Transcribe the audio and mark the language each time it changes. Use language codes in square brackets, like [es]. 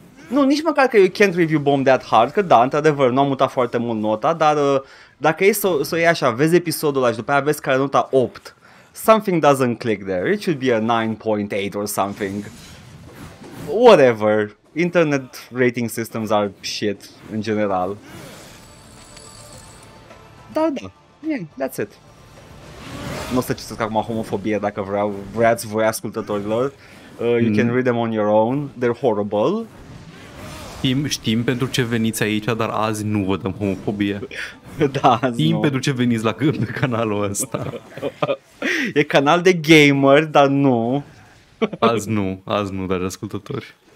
[ro] Nu, nici măcar că [en] you can't review bomb that hard, [ro] că da, într-adevăr, nu am mutat foarte mult nota, dar dacă e să o iei așa, vezi episodul ăla și după aia vezi care nota 8, [en] something doesn't click there, it should be a 9.8 or something. Whatever, internet rating systems are shit [ro] în general. Dar da, [en] yeah, that's it. [ro] Nu o să citesc acum homofobie dacă vreați voi ascultătorilor. [en] You can read them on your own, they're horrible. [ro] Știm pentru ce veniți aici, dar azi nu vă dăm homofobie. Da, știm pentru ce veniți la gând pe canalul ăsta. E canal de gamer, dar nu. Azi nu, dar ascultători.